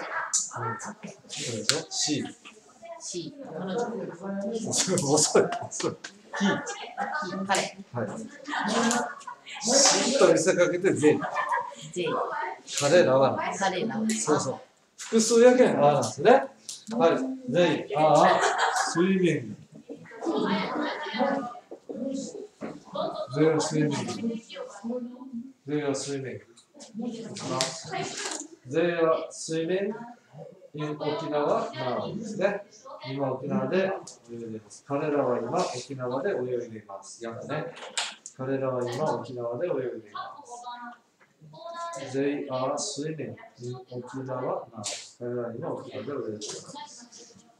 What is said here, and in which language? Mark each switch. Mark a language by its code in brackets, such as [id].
[ja] よ。そうでしょ？シー。シー。 遅い、遅い。ヒー。ヒー、彼。はい。シーと見せかけてゼイ。ゼイ。彼らはな。彼らは。そうそう。複数やけん、ああなんですね。はい、 [en] they are swimming。 they are swimming。 they are swimming。 they are swimming。 [ja] 沖縄、マーリンですね。今沖縄で泳いでいます。彼らは今沖縄で泳いでいます。やだね。彼らは今沖縄で泳いでいます。 [en] They are swimming in 沖縄、マーリン。 [ja] 彼らは今沖縄で泳いでいます。